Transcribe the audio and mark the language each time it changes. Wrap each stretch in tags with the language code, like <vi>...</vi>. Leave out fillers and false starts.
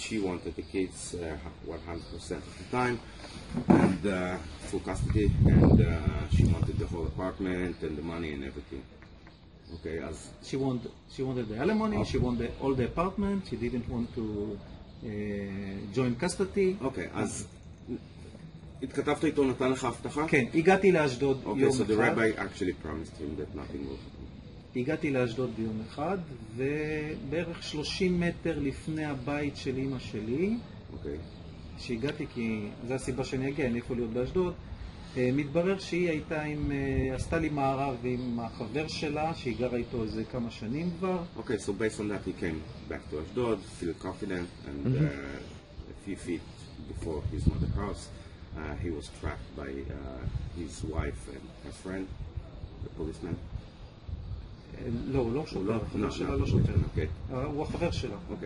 <en>She wanted the kids 100% of the time and full custody, and she wanted the whole apartment and the money and everything. Okay, as she wanted the alimony, okay. She wanted all the apartment, she didn't want to join custody. Okay, as</en> <he>התכתבת איתו, נתן לך הבטחה? כן, הגעתי לאשדוד יום אחד.</he> <en>Okay, so the rabbi actually promised him that nothing will happen.</en> <he>הגעתי לאשדוד יום אחד, ובערך 30 מטר לפני הבית של אמא שלי,</he> <en>okay.</en> <he>שהגעתי, כי זו הסיבה שאני אגיע, אני יכול להיות באשדוד, מתברר שהיא הייתה עם, עשתה לי מערב עם החבר שלה, שהיא גרה איתו איזה כמה שנים כבר.</he> <en>Okay, so based on that he came back to Ashdod, feel confident, and a few feet before his mother's house, he was trapped by his wife and her friend, the policeman.</en> <he>לא, הוא לא שוטר, החבר שלה לא שוטר, הוא החבר שלה.</he>